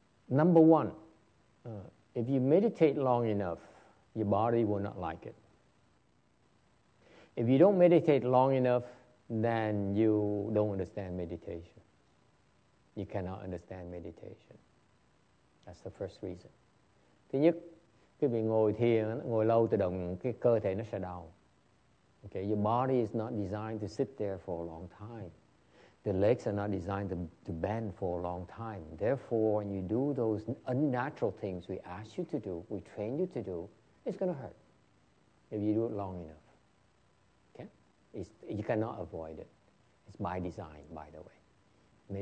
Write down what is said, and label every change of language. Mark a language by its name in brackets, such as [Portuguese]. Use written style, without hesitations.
[English] Number one, if you meditate long enough, your body will not like it. If you don't meditate long enough, then you don't understand meditation. You cannot understand meditation. That's the first reason. [Vietnamese] Thứ nhất, cái việc ngồi thiền, ngồi lâu tự động cái cơ thể nó sẽ đau. [English] Okay, your body is not designed to sit there for a long time. The legs are not designed to bend for a long time. Therefore, when you do those unnatural things we ask you to do, we train you to do, it's going to hurt if you do it long enough. Okay? You cannot avoid it. It's by design, by the way.